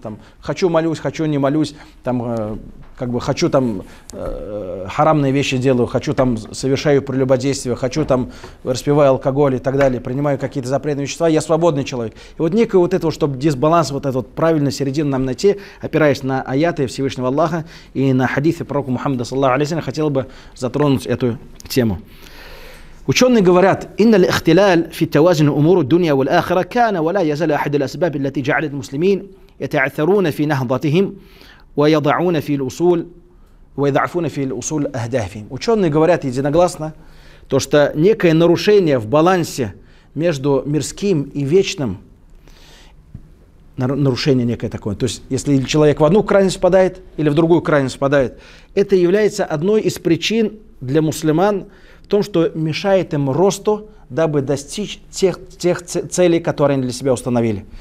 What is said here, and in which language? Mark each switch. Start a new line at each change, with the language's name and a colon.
Russian: Там, хочу молюсь, хочу не молюсь, там, как бы хочу там харамные вещи делаю, хочу там совершаю прелюбодействие, хочу там распиваю алкоголь и так далее, принимаю какие-то запретные вещества, я свободный человек. И вот некое вот это, чтобы дисбаланс, вот этот правильный середину нам найти, опираясь на аяты Всевышнего Аллаха и на хадисы пророка Мухаммада, саллаллаху алейхи ва саллям, хотел бы затронуть эту тему. Ученые говорят:
Arabic: إن الاختلال في توازن أمور الدنيا والآخرة كان ولا يزال أحد الأسباب التي جعلت المسلمين يتعثرون في نهضتهم ويضعون في الأصول ويضعفون في الأصول أهدافهم.
Russian: Ученые говорят единогласно, то что некое нарушение в балансе между мирским и вечным, нарушение некое такое. То есть если человек в одну крайность впадает или в другую крайность впадает, это является одной из причин для мусульман в том, что мешает им росту, дабы достичь тех целей, которые они для себя установили.